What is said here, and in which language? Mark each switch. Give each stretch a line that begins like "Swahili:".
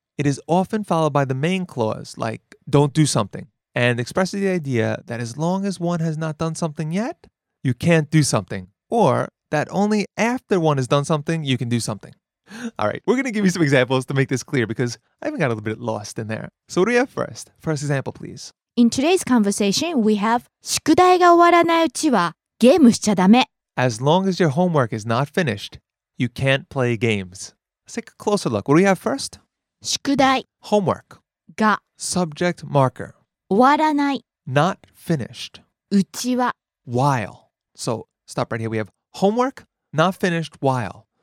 English: It is often followed by the main clause, like, don't do something. And expresses the idea that as long as one has not done something yet, you can't do something. Or that only after one has done something, you can do something. All right, we're going to give you some examples to make this clear because I even got a little bit lost in there. So what do we have first? First example, please. In today's conversation, we have
Japanese: 宿題が終わらないうちはゲームしちゃダメ。
English: As long as your homework is not finished, you can't play games. Let's take a closer look. What do we have first?
Japanese: 宿題。
English: Homework.
Japanese: が。
English: Subject marker.
Japanese: 終わらない。
English: Not finished.
Japanese: うちは。
English: While. So stop right here. We have homework, not finished, while.